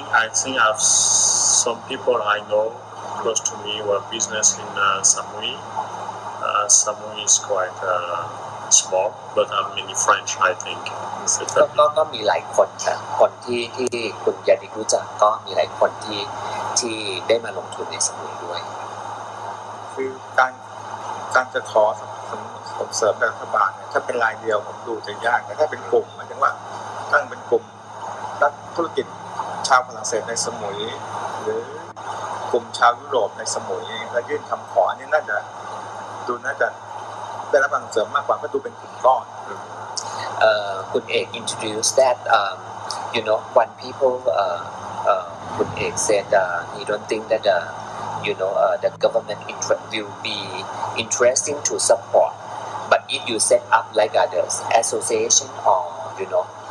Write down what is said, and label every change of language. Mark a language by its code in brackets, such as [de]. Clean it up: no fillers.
[en] I think I have some people I know close to me who have business in Samui. Samui is quite small, but have many French, I think. [th] ก็มีหลายคนครับคนที่คุณยานิกรู้จักก็มีหลายคนที่ได้มาลงทุนในสมุยด้วย คือการจะขอส่งเสริมรัฐบาลเนี่ยถ้าเป็นรายเดียวผมดูจะยากแต่ถ้าเป็นกลุ่มหมายถึงว่าตั้งเป็นกลุ่มนักธุรกิจชาวฝรั่งเศสในสมุยหรือกลุ่มชาวยุโรปในสมุยแล้วยื่นคำขอนี่น่าจะดูน่าจะได้รับส่งเสริมมากกว่าก็ดูเป็นกลุ่มก้อน [en] คุณเอก introduced that you know when people คุณเอก said he don't think that you know the government will be interesting to support but if you set up like others association or you know